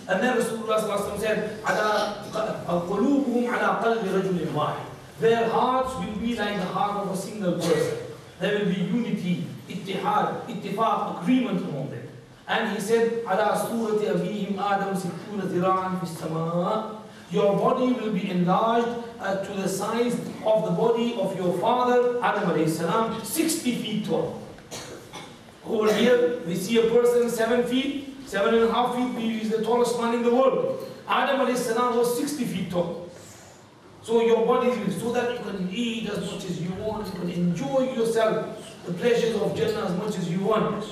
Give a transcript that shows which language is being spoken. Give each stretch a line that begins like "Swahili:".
English: And then Rasulullah said,
Arabic: قُلُوبُهُمْ عَلَىٰ قَلْبِ رَجُلٍ وَاحِدٍ.
English: Their hearts will be like the heart of a single person. There will be unity, ittihad, ittifaq, agreement among them. And he said,
Arabic: عَلَىٰ سُورَةِ أَبِيهِمْ آدَمْ سِكُونَ ذِرَاعًا فِي السَّمَاءِ.
English: Your body will be enlarged to the size of the body of your father, Adam alayhi salam, 60 feet tall. Over here, we see a person 7 feet. 7.5 feet, he is the tallest man in the world. Adam alayhi salam was 60 feet tall. So your body is so that you can eat as much as you want, you can enjoy yourself, the pleasures of Jannah as much as you want.